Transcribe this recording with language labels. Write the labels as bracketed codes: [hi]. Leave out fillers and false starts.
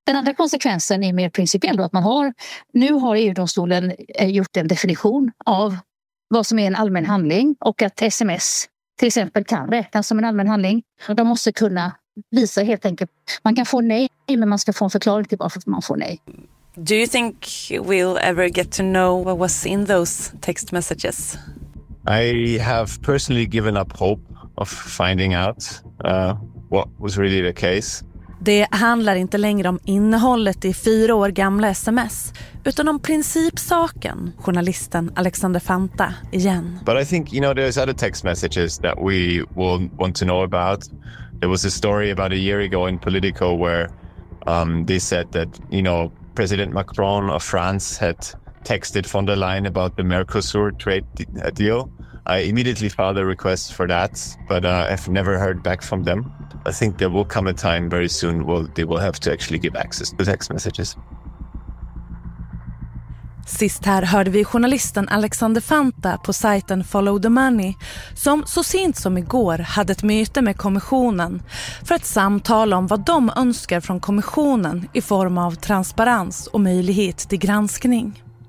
[sv] Den andra konsekvensen är mer principiell, då att man nu har EU-domstolen gjort en definition av vad som är en allmän handling, och att sms till exempel kan räknas som en allmän handling. Och de måste kunna visa helt enkelt. Man kan få nej, men man ska få en förklaring till varför man får nej. [en] Do you think we'll ever get to know what was in those text messages? I have personally given up hope of finding out what was really the case. [sv] Det handlar inte längre om innehållet i 4 år gamla sms, utan om principsaken, journalisten Alexander Fanta igen. [en] But I think, you know, there's other text messages that we will want to know about. There was a story about a year ago in Politico where they said that, you know, President Macron of France had texted von der Leyen about the Mercosur trade deal. I immediately filed a request for that, but I've never heard back from them. I think there will come a time very soon where they will have to actually give access to text messages. [sv] Sist här hörde vi journalisten Alexander Fanta på sajten Follow the Money, som så sent som igår hade ett möte med kommissionen för att samtala om vad de önskar från kommissionen i form av transparens och möjlighet till granskning.